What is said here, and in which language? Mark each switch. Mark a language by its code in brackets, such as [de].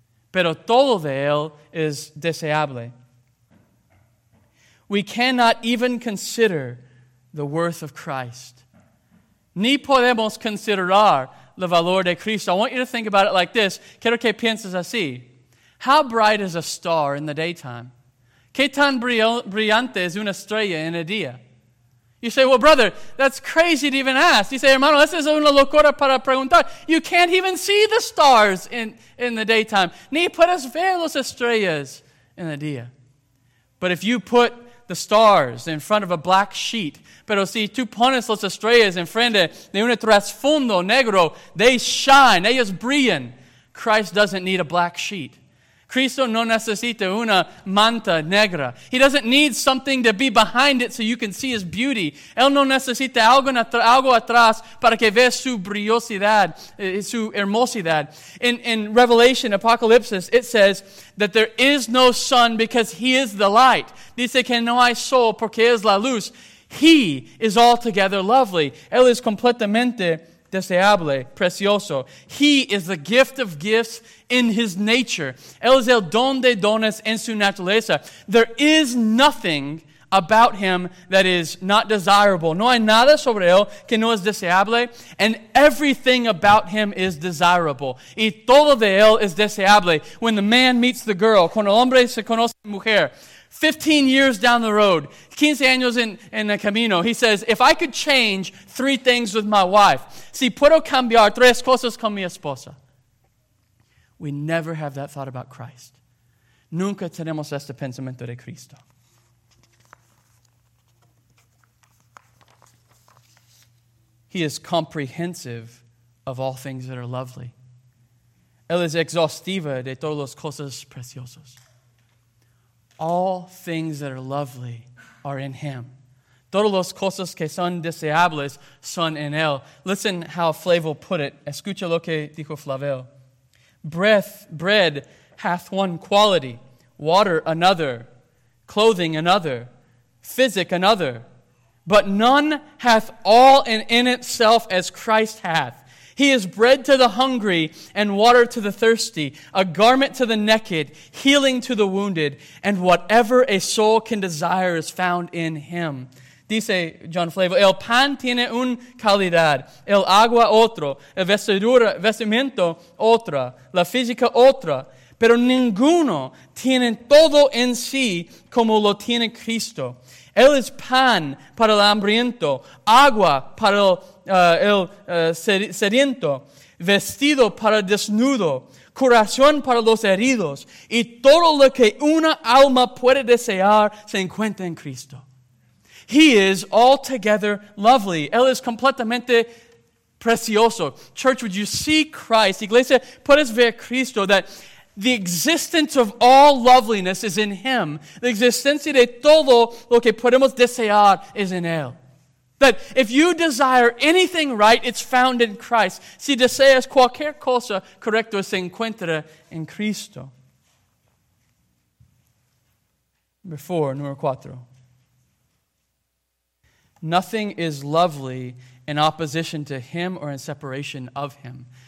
[es] Pero todo de él es deseable. [en] We cannot even consider the worth of Christ. [es] Ni podemos considerar el valor de Cristo. [en] I want you to think about it like this. [es] Quiero que pienses así. [en] How bright is a star in the daytime? [es] ¿Qué tan brillante es una estrella en el día? [en] You say, well, brother, that's crazy to even ask. [es] You say, hermano, esa es una locura para preguntar. [en] You can't even see the stars in the daytime. [es] Ni puedes ver las estrellas en el día. [en] But if you put the stars in front of a black sheet, [es] pero si tú pones las estrellas en frente de un trasfondo negro, [en] they shine, [es] ellos brillan. [en] Christ doesn't need a black sheet. [es] Cristo no necesita una manta negra. [en] He doesn't need something to be behind it so you can see his beauty. [es] Él no necesita algo atrás para que veas su brillosidad, su hermosidad. [en] In Revelation, Apocalypsis, it says that there is no sun because he is the light. [es] Dice que no hay sol porque es la luz. [en] He is altogether lovely. [es] Él es completamente deseable, precioso. [en] He is the gift of gifts in his nature. [es] Él es el don de dones en su naturaleza. [en] There is nothing about him that is not desirable. [es] No hay nada sobre él que no es deseable. [en] And everything about him is desirable. [es] Y todo de él es deseable. [en] When the man meets the girl, [es] cuando el hombre se conoce a la mujer, [en] 15 years down the road, [es] 15 años en el camino, [en] he says, if I could change three things with my wife, [es] si puedo cambiar tres cosas con mi esposa. [en] We never have that thought about Christ. [es] Nunca tenemos este pensamiento de Cristo. [en] He is comprehensive of all things that are lovely. [es] Él es exhaustiva de todas las cosas preciosas. [en] All things that are lovely are in him. [es] Todas las cosas que son deseables son en él. [en] Listen how Flavel put it. [es] Escucha lo que dijo Flavel. [en] Bread hath one quality, water another, clothing another, physic another. But none hath all in itself as Christ hath. He is bread to the hungry and water to the thirsty, a garment to the naked, healing to the wounded, and whatever a soul can desire is found in him. [es] Dice John Flavel, el pan tiene una calidad, el agua otro, el vestimiento otra, la física otra, pero ninguno tiene todo en sí como lo tiene Cristo. Él es pan para el hambriento, agua para el sediento, vestido para el desnudo, curación para los heridos, y todo lo que una alma puede desear se encuentra en Cristo. [en] He is altogether lovely. [es] Él es completamente precioso. [en] Church, would you see Christ? [es] Iglesia, puedes ver Cristo, [en] that the existence of all loveliness is in Him. [es] The existencia de todo lo que podemos desear es en Él. [en] That if you desire anything right, it's found in Christ. [es] Si deseas cualquier cosa correcto, se encuentra en Cristo. Número cuatro. [en] Nothing is lovely in opposition to Him or in separation of Him.